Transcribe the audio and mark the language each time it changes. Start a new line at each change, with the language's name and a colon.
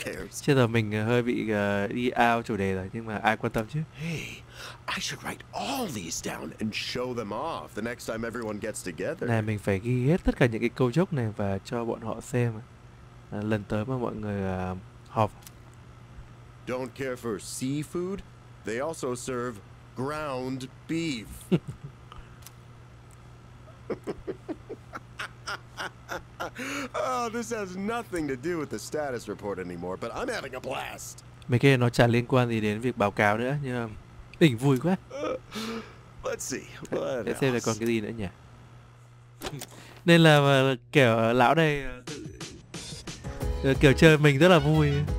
Vietnamese: Chứ giờ mình hơi bị đi out chủ đề rồi, nhưng mà ai quan tâm chứ.
English: Hey, I should write all these down and show them off the next time everyone gets together.
Vietnamese: Này, mình phải ghi hết tất cả những cái câu dốc này và cho bọn họ xem lần tới mà mọi người họp.
English: Don't care for seafood? They also serve ground beef. Oh, this has nothing to do with the status report anymore, but I'm having a blast.
Vietnamese: Mấy cái nó chả liên quan gì đến việc báo cáo nữa, nhưng mà mình vui quá.
English: Let's see. What
Vietnamese: để xem là còn cái gì nữa nhỉ? Nên là kiểu lão này kiểu chơi mình rất là vui.